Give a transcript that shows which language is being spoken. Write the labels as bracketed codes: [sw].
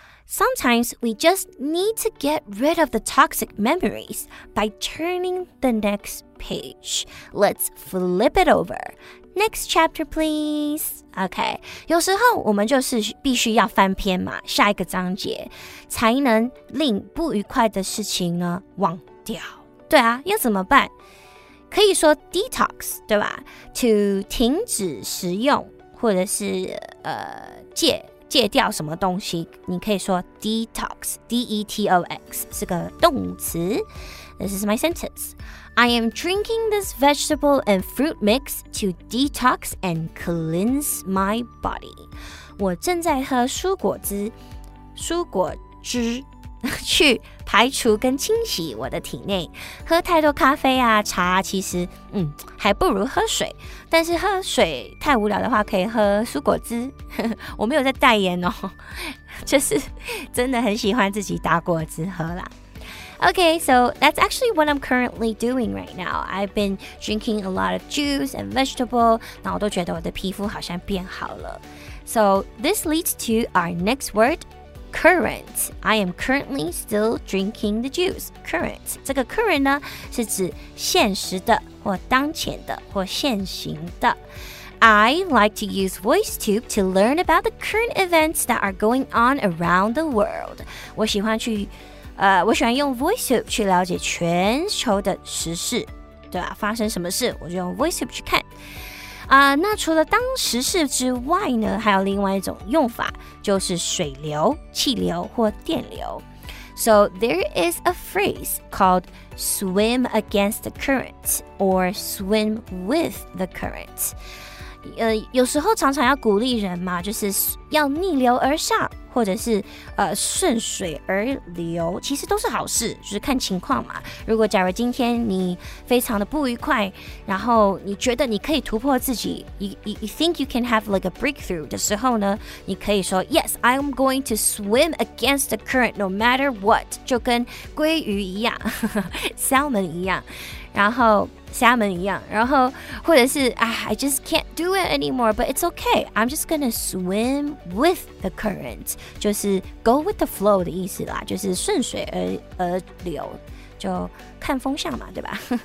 [en] Sometimes we just need to get rid of the toxic memories by turning the next page. Let's flip it over. Next chapter, please. Okay. [zh] 有时候我们就是必须要翻篇嘛，下一个章节，才能令不愉快的事情呢忘掉。对啊，要怎么办？可以说 detox, 对吧？ To 停止食用，或者是戒掉什么东西，你可以说 detox, D-E-T-O-X, 是个动词。 [en] This is my sentence. I am drinking this vegetable and fruit mix to detox and cleanse my body. [zh] 我正在喝蔬果汁去排除跟清洗我的体内。喝太多咖啡啊茶啊其实还不如喝水。但是喝水太无聊的话可以喝蔬果汁。我没有在代言哦。就是真的很喜欢自己打果汁喝啦。 [en] Okay, so that's actually what I'm currently doing right now. I've been drinking a lot of juice and vegetable, [zh] 然后我都觉得我的皮肤好像变好了。 [en] So this leads to our next word, current. I am currently still drinking the juice. Current. [zh] 这个 current 呢是指现实的或当前的或现行的。 [en] I like to use VoiceTube to learn about the current events that are going on around the world. [zh] 我喜欢去我喜欢用 VoiceTube 去了解全球的时事，对吧？发生什么事，我就用 VoiceTube 去看。那除了当时事之外呢，还有另外一种用法，就是水流、气流或电流。 [en] So there is a phrase called swim against the current or swim with the current. [zh] 有时候常常要鼓励人嘛，就是要逆流而上。或者是顺水而流，其实都是好事，就是看情况嘛。如果假如今天你非常的不愉快，然后你觉得你可以突破自己 [en] you think you can have like a breakthrough [zh] 的时候呢，你可以说 [en] Yes, I'm going to swim against the current no matter what [zh] 就跟鲑鱼一样 [en] salmon [zh] 一样然后 [en] salmon [zh] 一样然后或者是 [en] I just can't do it anymore but it's okay I'm just gonna swim with the current [zh] 就是 [en] go with the flow [zh] 的意思啦就是顺水 而流就看风向嘛对吧